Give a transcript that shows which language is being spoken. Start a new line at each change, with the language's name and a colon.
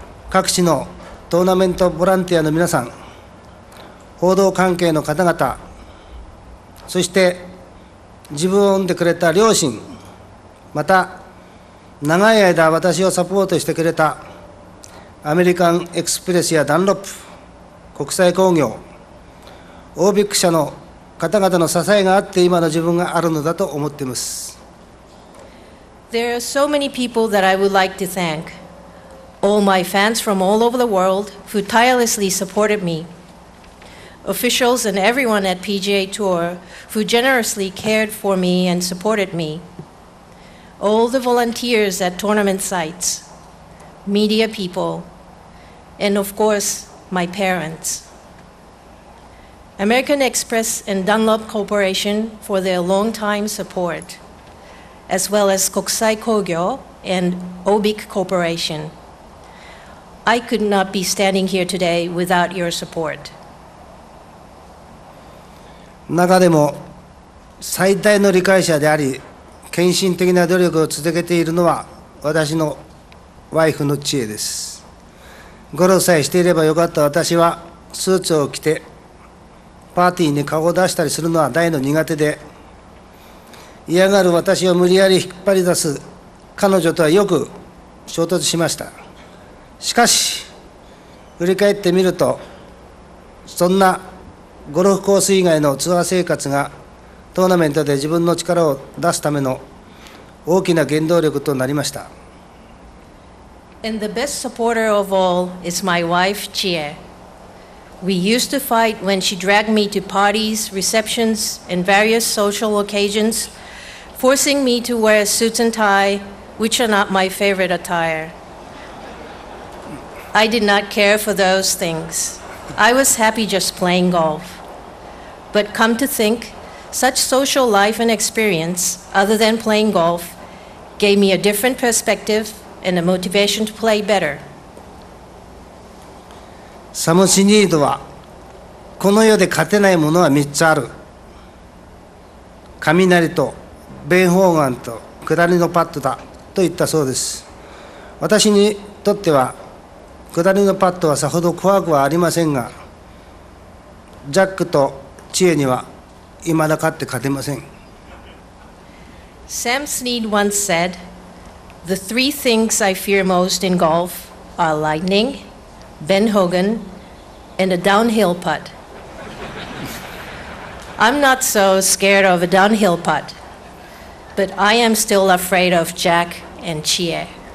Japanese: 各地のトーナメントボランティアの皆さん、報道関係の方々、そして自分を産んでくれた両親、また長い間私をサポートしてくれたアメリカンエクスプレスやダンロップ、国際工業、オービック社の方々の支えがあって今の自分があるのだと思っています。
English: There are so many people that I would like to thank. All my fans from all over the world who tirelessly supported me. Officials and everyone at PGA Tour who generously cared for me and supported me. All the volunteers at tournament sites, media people, and of course my parents. American Express and Dunlop Corporation for their long-time support, as well as Kokusai Kogyo and Obik Corporation. I could not be standing here today without your support.
Japanese: 中でも最大の理解者であり、献身的な努力を続けているのは私のワイフの知恵です。ゴルフさえしていればよかった私はスーツを着て、パーティーに顔を出したりするのは大の苦手で、嫌がる私を無理やり引っ張り出す彼女とはよく衝突しました。しかし振り返ってみると、そんなゴルフコース以外のツアー生活がトーナメントで自分の力を出すための大きな原動力となりました。
English: And the best supporter of all is my wife, Chie. We used to fight when she dragged me to parties, receptions, and various social occasions, forcing me to wear suits and tie, which are not my favorite attire. I did not care for those things. I was happy just playing golf. But come to think, such social life and experience, other than playing golf, gave me a different perspective and a motivation to play better.
Japanese: サム・シニードは、この世で勝てないものは3つある。雷とベン・ホーガンと下りのパットだと言ったそうです。私にとっては下りのパットはさほど怖くはありませんが、ジャックとチエには未だ勝って勝てません。
English: サム・シニード once said, The three things I fear most in golf are lightning,Ben Hogan, and a downhill putt. I'm not so scared of a downhill putt. but I am still afraid of Jack and Chie.